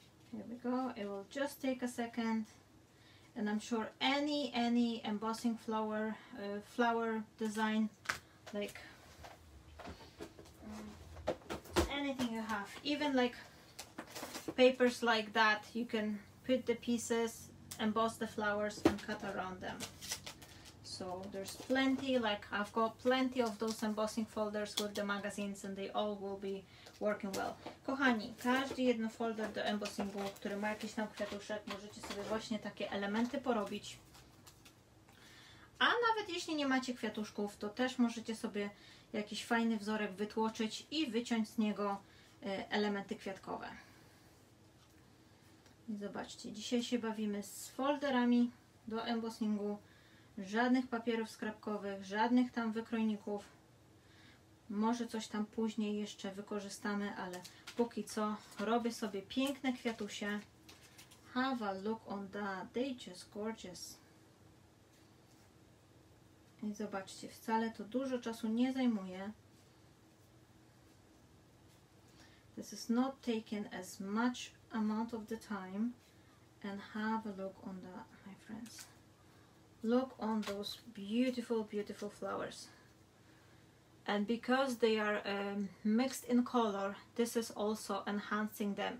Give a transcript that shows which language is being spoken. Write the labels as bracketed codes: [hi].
[en] Here we go. It will just take a second. And I'm sure any embossing flower design, like anything you have, even like papers like that, you can put the pieces, emboss the flowers and cut around them. So there's plenty, like I've got plenty of those embossing folders with the magazines and they all will be working well. [pl] Kochani, każdy jeden folder do embossingu, który ma jakiś tam kwiatuszek, możecie sobie właśnie takie elementy porobić. A nawet jeśli nie macie kwiatuszków, to też możecie sobie jakiś fajny wzorek wytłoczyć i wyciąć z niego elementy kwiatkowe. I zobaczcie, dzisiaj się bawimy z folderami do embossingu. Żadnych papierów skrapkowych, żadnych tam wykrojników. Może coś tam później jeszcze wykorzystamy, ale póki co robię sobie piękne kwiatusie. [en] Have a look on that. They just gorgeous. [pl] I zobaczcie, wcale to dużo czasu nie zajmuje. [en] This is not taking as much amount of the time. And have a look on that, my friends. Look on those beautiful, beautiful flowers. And because they are mixed in color, this is also enhancing them.